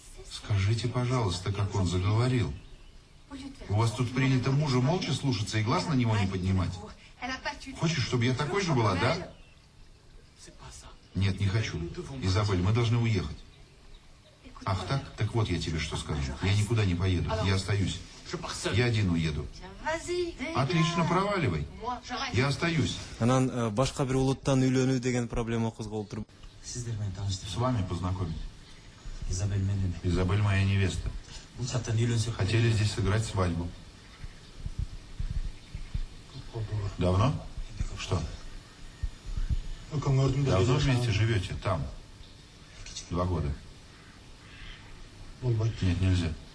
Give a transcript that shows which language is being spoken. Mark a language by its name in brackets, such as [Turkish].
[Russian] Скажите, пожалуйста, как он заговорил? У вас тут принято мужа молча слушаться и глаз на него не поднимать. Хочешь, чтобы я такой же была, да? Нет, не хочу. Изабель, мы должны уехать. Ах так? Так вот я тебе что скажу. Я никуда не поеду, я остаюсь. Я один уеду. Отлично, проваливай. Я остаюсь. [Kyrgyz] Анан башка бир улуттан үйлөнүү деген проблема козголуп тур. Сиздер менен тааныштырып, [Russian] с вами познакомить. [Kyrgyz] Изабель менен. [Russian] Изабель моя невеста. [Kyrgyz] Бул чаптан үйлөнсө [Russian] хотели здесь сыграть свадьбу. Давно? Что? Давно вместе живете там? 2 года. Нет, нельзя.